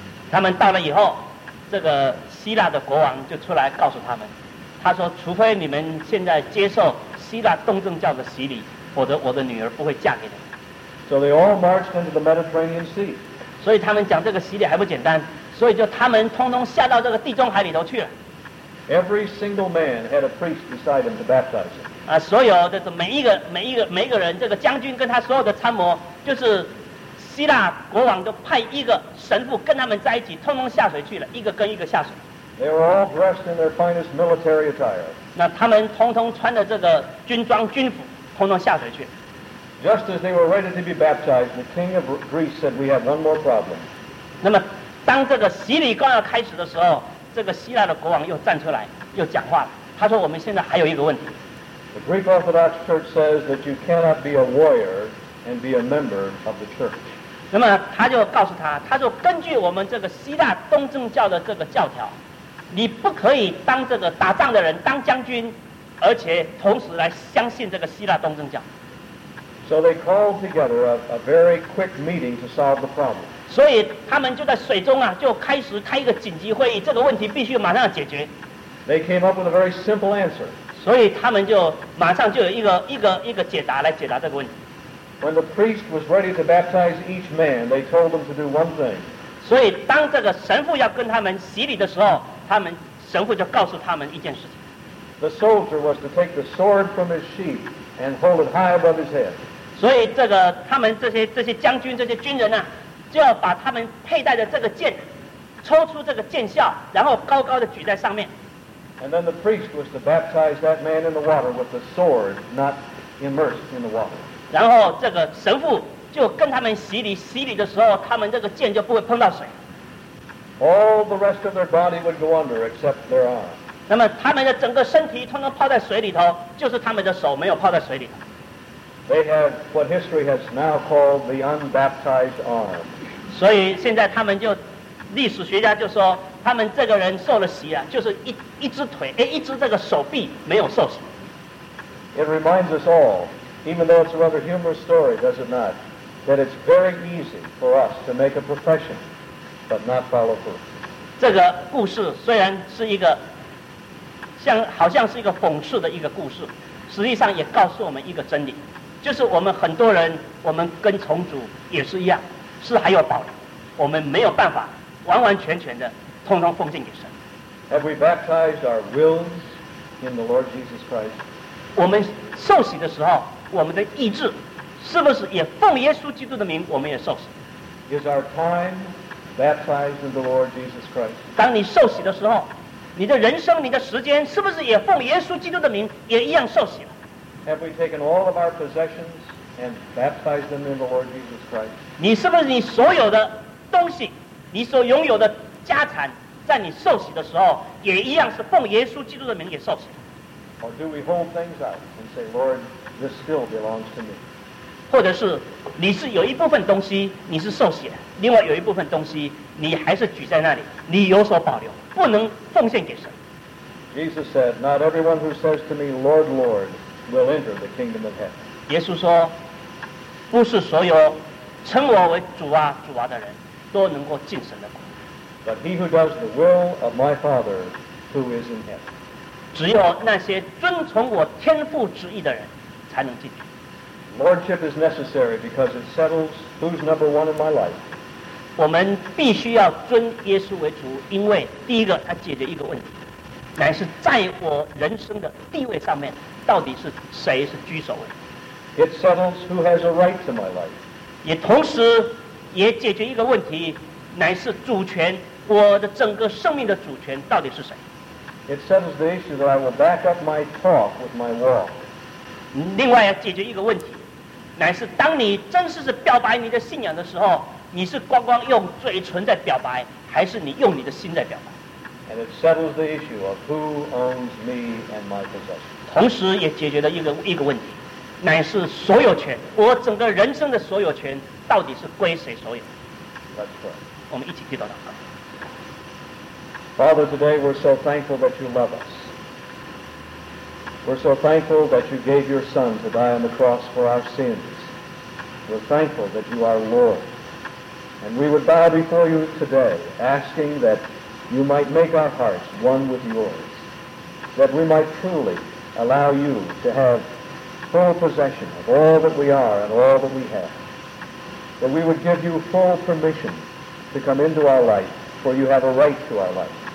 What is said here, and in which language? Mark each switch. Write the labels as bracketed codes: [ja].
[zh] 他们到了以后，这个希腊的国王就出来告诉他们，他说：“除非你们现在接受希腊东正教的洗礼。” 否则我的女儿不会嫁给他。 [en] So they all marched into the Mediterranean Sea. [zh] 所以他们讲这个洗礼还不简单，所以就他们通通下到这个地中海里头去了。 [en] Every single man had a priest beside him to baptize him. [zh] 所有的每一个人，这个将军跟他所有的参谋，就是希腊国王都派一个神父跟他们在一起，通通下水去了，一个跟一个下水。 [en] They were all dressed in their finest military attire. [zh] 那他们通通穿着这个军装军服，通通下水去。 [en] Just as they were ready to be baptized, the king of Greece said, "We have one more problem." [zh] 那么，当这个洗礼刚要开始的时候，这个希腊的国王又站出来，又讲话了。他说：“我们现在还有一个问题。” [en] The Greek Orthodox Church says that you cannot be a warrior and be a member of the church. [zh] 那么他就告诉他，他说：“根据我们这个希腊东正教的这个教条，你不可以当这个打仗的人，当将军，而且同时来相信这个希腊东正教。” [en] So they called together a very quick meeting to solve the problem. [zh] 所以他们就在水中啊，就开始开一个紧急会议，这个问题必须马上解决。 [en] They came up with a very simple answer. [zh] 所以他们就马上就有一个解答来解答这个问题。 [en] When the priest was ready to baptize each man, they told them to do one thing. [zh] 所以当这个神父要跟他们洗礼的时候，他们神父就告诉他们一件事情。 [en] The soldier was to take the sword from his sheath. And hold it high above his head. [zh] 所以这个他们这些将军这些军人呢、啊，就要把他们佩戴的这个剑，抽出这个剑鞘，然后高高的举在上面。 [en] And then the priest was to baptize that man in the water with the sword not immersed in the water. [zh] 然后这个神父就跟他们洗礼，洗礼的时候，他们这个剑就不会碰到水。 [en] All the rest of their body would go under except their arm. [zh] 那么他们的整个身体通通泡在水里头，就是他们的手没有泡在水里头。 [en] They have what history has now called the unbaptized arm. [zh] 所以现在他们就，历史学家就说，他们这个人受了洗啊，就是一只这个手臂没有受洗。 [en] It reminds us all, even though it's a rather humorous story, does it not, that it's very easy for us to make a profession, but not follow through. [zh] 这个故事虽然是一个。像好像是一个讽刺的一个故事，实际上也告诉我们一个真理，就是我们很多人，我们跟从主也是一样，是还有保留，我们没有办法完完全全的通通奉献给神。 [en] Have we baptized our wills in the Lord Jesus Christ? [zh] 我们受洗的时候，我们的意志是不是也奉耶稣基督的名，我们也受洗 [en] ？Is our time baptized in the Lord Jesus Christ? [zh] 当你受洗的时候。你的人生，你的时间，是不是也奉耶稣基督的名，也一样受洗了 [en] ？Have we taken all of our possessions and baptized them in the Lord Jesus Christ？ [zh] 你是不是你所有的东西，你所拥有的家产，在你受洗的时候，也一样是奉耶稣基督的名也受洗 [en] ？Or do we hold things out and say, Lord, this still belongs to me？ [zh] 或者是你是有一部分东西你是受洗的，另外有一部分东西你还是举在那里，你有所保留。不能奉献给神。 [en] Jesus said, "Not everyone who says to me, 'Lord, Lord,' will enter the kingdom of heaven." [zh] 耶稣说，不是所有称我为主啊、主啊的人都能够进神的国。 [en] But he who does the will of my Father who is in heaven. [zh] 只有那些遵从我天父旨意的人才能进去。 [en] Lordship is necessary because it settles who's number one in my life. [zh] 我们必须要尊耶稣为主，因为第一个，他解决一个问题，乃是在我人生的地位上面，到底是谁是居首位。 [en] It settles who has a right to my life. [zh] 也同时也解决一个问题，乃是主权，我的整个生命的主权到底是谁。 [en] It settles the issue that I will back up my talk with my walk. [zh] 另外要解决一个问题，乃是当你真实是表白你的信仰的时候。你是光光用嘴唇在表白，还是你用你的心在表白 [en] ？And it settles the issue of who owns me and my possessions. [zh] 同时也解决了一个问题，乃是所有权，我整个人生的所有权到底是归谁所有 [en] ？Let's pray. [zh] 我们一起低头祷告。 [en] Father, today we're so thankful that you love us. We're so thankful that you gave your Son to die on the cross for our sins. We're thankful that you are Lord. And we would bow before you today, asking that you might make our hearts one with yours, that we might truly allow you to have full possession of all that we are and all that we have, that we would give you full permission to come into our life, for you have a right to our life.